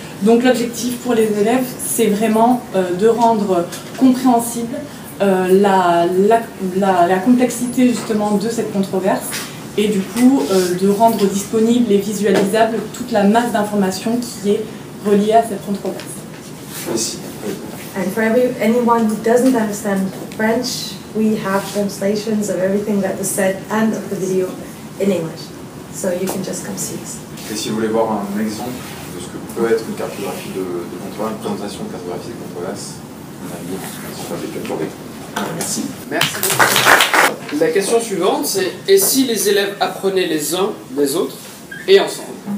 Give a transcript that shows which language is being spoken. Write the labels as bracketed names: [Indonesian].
[French] Donc l'objectif pour les élèves, c'est vraiment de rendre compréhensible la complexité justement de cette controverse et du coup de rendre disponible et visualisable toute la masse d'informations qui est reliée à cette controverse. [English] And for anyone who doesn't understand French, we have translations of everything that was said and of the video in English, so you can just come see us. [French] Et si vous voulez voir un exemple de ce que peut être une cartographie de contrôle, une présentation de cartographie de contrôle, on a mis sur la déclaration. Merci. Merci. La question suivante, c'est: et si les élèves apprenaient les uns des autres et ensemble?